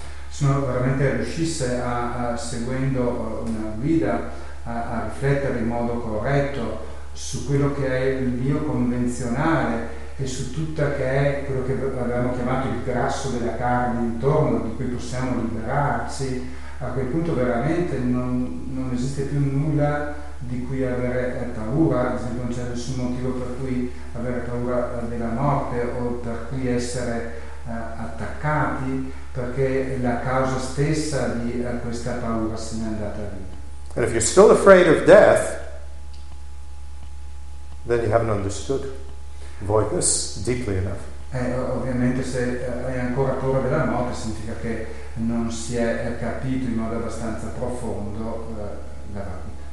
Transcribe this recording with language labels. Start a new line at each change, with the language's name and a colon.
Italian: Se uno veramente riuscisse a seguendo una guida a riflettere in modo corretto su quello che è il mio convenzionale e su tutto che è quello che abbiamo chiamato il grasso della carne intorno di cui possiamo liberarsi, a quel punto veramente non esiste più nulla di cui avere paura. Ad esempio, non c'è nessun motivo per cui avere paura della morte o per cui essere attaccati, perché la causa stessa di questa paura se n'è andata via.
English: And if you're still afraid of death, then you haven't understood voidness deeply enough.
Italian: Ovviamente se hai ancora paura della morte significa che non si è capito in modo abbastanza profondo la vacuità.